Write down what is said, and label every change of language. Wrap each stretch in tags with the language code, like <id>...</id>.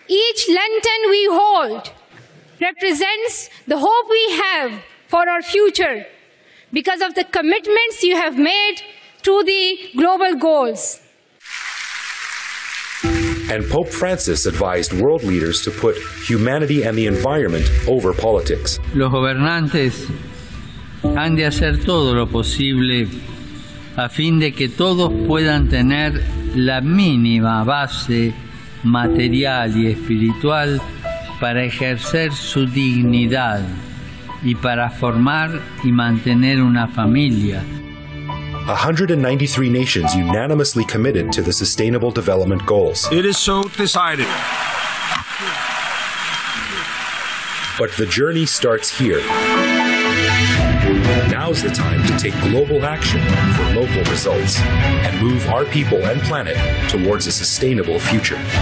<en>Each lantern we hold represents the hope we have for our future because of the commitments you have made to the global goals. And Pope Francis advised world leaders to put humanity and the environment over politics.</en> <es>Los gobernantes han de hacer todo lo posible a fin de que todos puedan tener la mínima base material y espiritual para ejercer su dignidad y para formar y mantener una familia.</es> <en>193 nations unanimously committed to the Sustainable Development Goals. It is so decided. But the journey starts here. Now's the time to take global action for local results and move our people and planet towards a sustainable future.</en>